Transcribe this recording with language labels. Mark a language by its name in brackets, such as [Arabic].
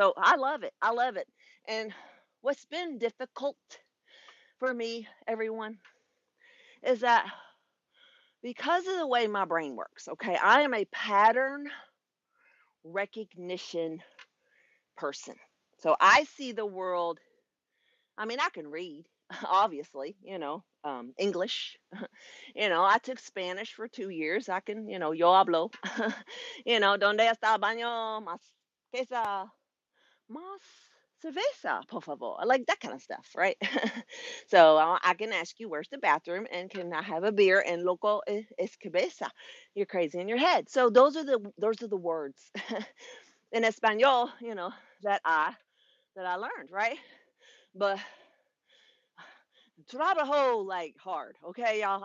[English] So I love it. I love it. And what's been difficult for me, everyone, is that because of the way my brain works, okay, I am a pattern recognition person. So I see the world. I mean, I can read, obviously, you know, English, you know, I took Spanish for 2 years. I can, you know, [Spanish] yo hablo, [English] you know, [Spanish] donde está el baño, más queso, más cerveza, por favor. [English] I like that kind of stuff, right? So I can ask you, where's the bathroom, and can I have a beer, and [Spanish] loco es cabeza, [English] you're crazy in your head. So those are the words in Espanol, you know, that I learned, right? But trabajo like hard, okay, y'all?